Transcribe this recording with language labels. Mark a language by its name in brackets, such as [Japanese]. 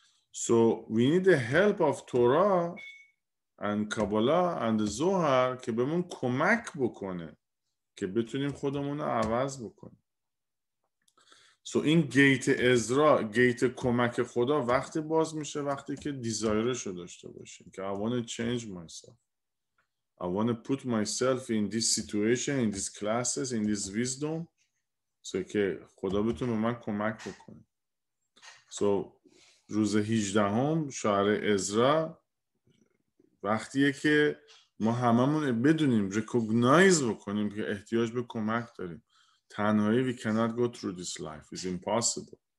[English] So we need the help of Torah and Kabbalah and the Zohar [Persian] که بهمون کمک بکنه که بتونیم خودمون رو عوض بکنیم. سو این گیت عزرا، گیت کمک خدا وقتی باز میشه وقتی که دیزایرشو داشته باشیم که [English] I want to change myself. I want to put myself in this situation, in these classes, in this wisdom. [Persian] سو که خدا بتونه من کمک بکنه. سو روز 18 شهر عزرا وقتیه که ما هممون بدونیم، ریکوگنایز بکنیم که احتیاج به کمک داریم. تنهایی [English] we cannot go through this life. It's impossible.